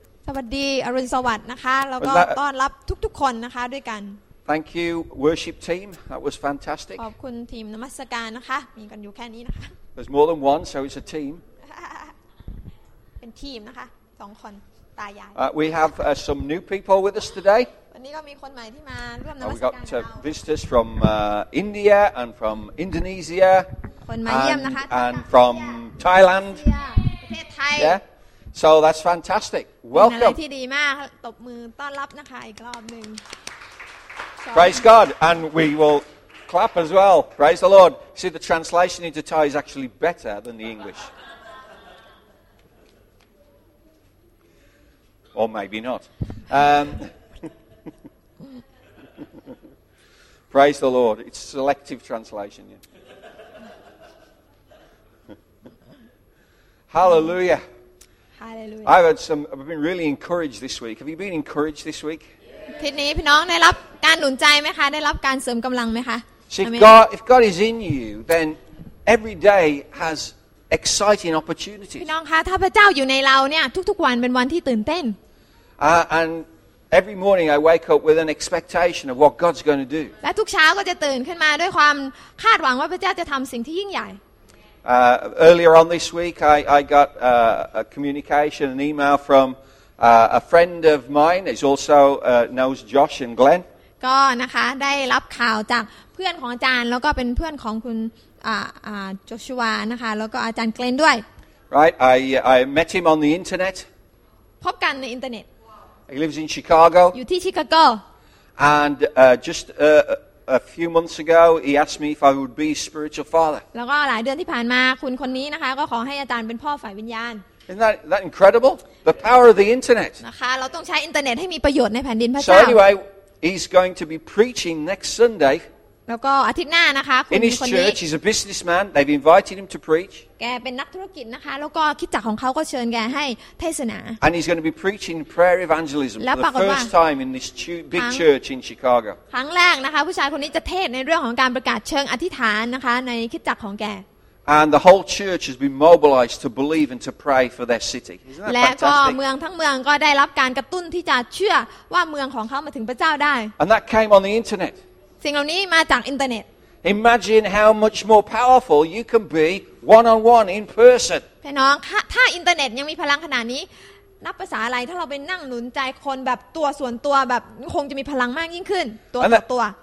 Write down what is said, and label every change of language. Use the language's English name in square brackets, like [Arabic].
[Thai] สวัสดีอรุณสวัสดิ์นะคะแล้วก็ต้อนรับทุกๆคนนะคะด้วยกัน [English] Thank you, worship team. That was fantastic. [Thai] ขอบคุณทีมนมัสการนะคะมีกันอยู่แค่นี้นะคะ [English] There's more than one, so it's a team. [Thai] เป็นทีมนะคะสองคนตายาย [English] We have some new people with us today. [Thai] วันนี้ก็มีคนใหม่ที่มาร่วมนมัสการ [English] We've got visitors from India and from Indonesia. [Thai] คนมาเยี่ยมนะคะ [English] And from Thailand. Yeah. So that's fantastic. Welcome. [Thai] ที่ดีมากตบมือต้อนรับนะคะอีกรอบนึง [English] Praise God and we will clap as well. Praise the Lord. See the translation into Thai is actually better than the English. Or maybe not. Praise the Lord. It's selective translation. Yeah. Hallelujah. Hallelujah. I've been really encouraged this week. Have you been encouraged this week? [Thai] ทีนี้พี่น้องได้รับการหนุนใจไหมคะได้รับการเสริมกำลังไหมคะ [English] If God is in you, then every day has exciting opportunities. [Thai] พี่น้องคะถ้าพระเจ้าอยู่ในเราเนี่ยทุกๆวันเป็นวันที่ตื่นเต้น [English] And every morning I wake up with an expectation of what God's going to do. [Thai] และทุกเช้าก็จะตื่นขึ้นมาด้วยความคาดหวังว่าพระเจ้าจะทำสิ่งที่ยิ่งใหญ่ [English] Earlier on this week, I got a communication, an email from a friend of mine. He's also knows Josh and Glenn. [Thai] ก็นะคะได้รับข่าวจากเพื่อนของอาจารย์แล้วก็เป็นเพื่อนของคุณจอชัวนะคะแล้วก็อาจารย์เกลนด้วย [English] Right, I met him on the internet. [Thai] พบกันในอินเทอร์เน็ต [English] He lives in Chicago. [Thai] อยู่ที่ชิคาโก [English] And just A few months ago, he asked me if I would be his spiritual father. [Thai] แล้วก็หลายเดือนที่ผ่านมาคุณคนนี้นะคะก็ขอให้อาจารย์เป็นพ่อฝ่ายวิญญาณ [English] Isn't that incredible? The power of the internet. [Thai] นะคะเราต้องใช้อินเทอร์เน็ตให้มีประโยชน์ในแผ่นดินพระเจ้ า [English] So anyway, he's going to be preaching next Sunday. [Thai] แล้วก็อาทิตย์หน้านะคะคุณคนนี้ [English] In his church, he's a businessman. They've invited him to preach. [Thai] แกเป็นนักธุรกิจนะคะแล้วก็คิดจักของเขาก็เชิญแกให้เทศนา [English] And he's going to be preaching prayer evangelism for the first time in this big church in Chicago. [Thai] ครั้งแรกนะคะผู้ชายคนนี้จะเทศในเรื่องของการประกาศเชิงอธิษฐานนะคะในคิดจักของแก [English] And the whole church has been mobilized to believe and to pray for their city. [Thai] และก็เมืองทั้งเมืองก็ได้รับการกระตุ้นที่จะเชื่อว่าเมืองของเขามาถึงพระเจ้าได้ [English] And that came on the internet. [Thai] สิ่งเหล่านี้มาจากอินเทอร์เน็ต [English] Imagine how much more powerful you can be one-on-one in person. [Thai] พี่น้องถ้าอินเทอร์เน็ตยังมีพลังขนาดนี้นับภาษาอะไรถ้าเราไปนั่งหนุนใจคนแบบตัวส่วนตัวแบบคงจะมีพลังมากยิ่งขึ้นตัวต่อตัว